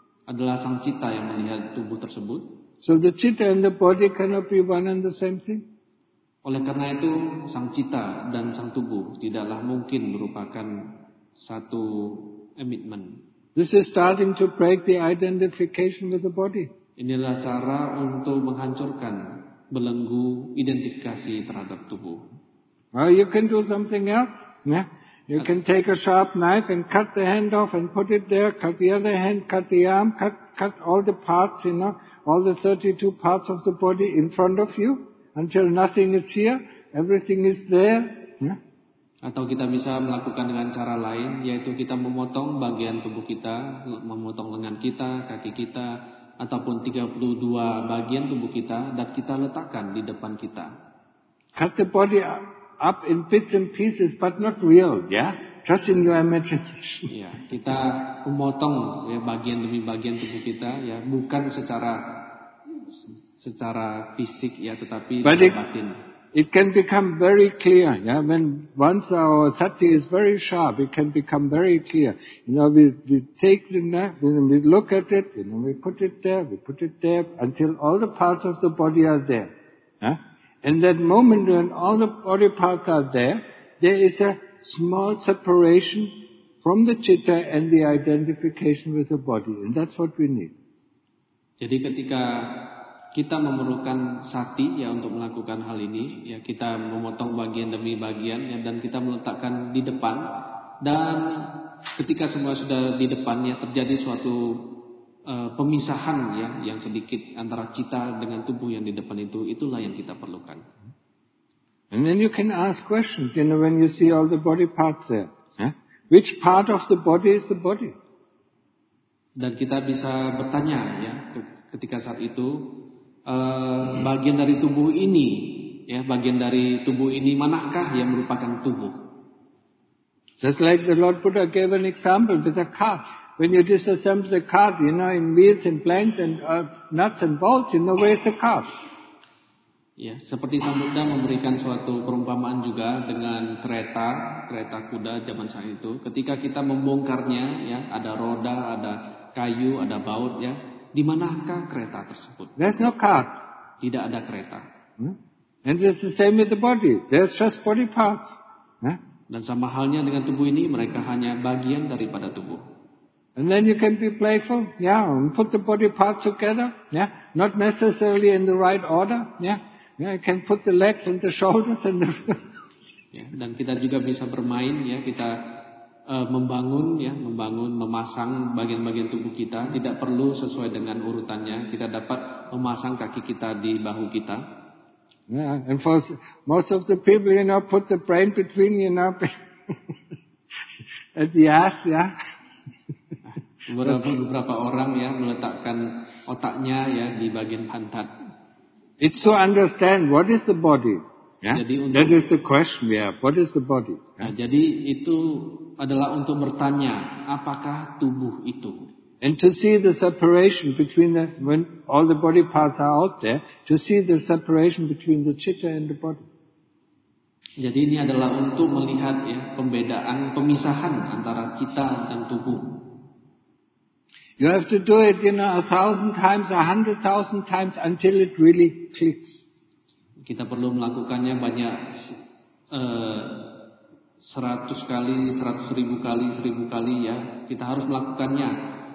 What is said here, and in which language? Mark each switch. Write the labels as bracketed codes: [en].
[id] Adalah sang citta yang melihat tubuh tersebut. [en] So the citta and the body cannot be one and the same thing. [id] Oleh karena itu, sang citta dan sang tubuh tidaklah mungkin merupakan satu emitment. [en] This is starting to break the identification with the body. [id] Inilah cara untuk menghancurkan belenggu identifikasi terhadap tubuh. [en] Well, you can do something else. Yeah. You can take a sharp knife and cut the hand off and put it there, cut the other hand, cut the arm, cut all the parts, you know, all the 32 parts of the body in front of you until nothing is here, everything is there. Yeah. [id] Atau kita bisa melakukan dengan cara lain, yaitu kita memotong bagian tubuh kita, memotong lengan kita, kaki kita, ataupun 32 bagian tubuh kita, dan kita letakkan di depan kita. [en] Cut the body up in bits and pieces, but not real, yeah? Just in your imagination. [id] Yeah, kita memotong, ya, bagian demi bagian tubuh kita, ya, bukan secara fisik, ya, tetapi dalam batin. [en] It can become very clear, yeah. When once our sati is very sharp, it can become very clear. You know, we take the knife, then we look at it, and then we put it there until all the parts of the body are there. Yeah? And that moment when all the body parts are there, there is a small separation from the citta and the identification with the body, and that's what we need. [id] Jadi ketika kita memerlukan sati, ya, untuk melakukan hal ini, ya, kita memotong bagian demi bagian, ya, dan kita meletakkan di depan. Dan ketika semua sudah di depan, ya, terjadi suatu pemisahan, ya, yang sedikit antara citta dengan tubuh yang di depan itu, itulah yang kita perlukan. [en] And then you can ask questions, you know, when you see all the body parts there. Huh? Which part of the body is the body? [id] Dan kita bisa bertanya, ya, ketika saat itu, bagian dari tubuh ini, ya, bagian dari tubuh ini manakah yang merupakan tubuh? [en] Just like the Lord Buddha gave an example with a car. When you disassemble the car, you know, in wheels and planks and nuts and bolts, you know, where is the car? [id] Ya, seperti Sang Buddha memberikan suatu perumpamaan juga dengan kereta kuda zaman saat itu. Ketika kita membongkarnya, ya, ada roda, ada kayu, ada baut, ya. Di manakah kereta tersebut? [en] There's no car. [id] Tidak ada kereta. [en] And it's the same with the body. There's just body parts. [id] Dan sama halnya dengan tubuh ini, mereka hanya bagian daripada tubuh. [en] And then you can be playful, yeah, and put the body parts together, yeah, not necessarily in the right order, yeah. Yeah, you can put the legs and the shoulders and the. [id] Yeah, dan kita juga bisa bermain, ya, kita membangun, ya, membangun, memasang bagian-bagian tubuh kita tidak perlu sesuai dengan urutannya. Kita dapat memasang kaki kita di bahu kita. [en] Yeah, and for most of the people, you know, put the brain between, you know, at the ass, yeah. [id] Beberapa orang, ya, meletakkan otaknya, ya, di bagian pantat. [en] It's to understand what is the body. Yeah? [id] Jadi [en] that is the question, yeah. What is the body? Yeah? [id] Nah, jadi itu adalah untuk bertanya, apakah tubuh itu? [en] And to see the separation between the, when all the body parts are out there, to see the separation between the citta and the body. [id] Jadi ini adalah untuk melihat, ya, pembedaan, pemisahan antara citta dan tubuh. [en] You have to do it, you know, 1,000 times, 100,000 times until it really clicks. [id] Kita perlu melakukannya banyak 100 kali, 100 ribu kali, 1,000 kali, ya. Kita harus melakukannya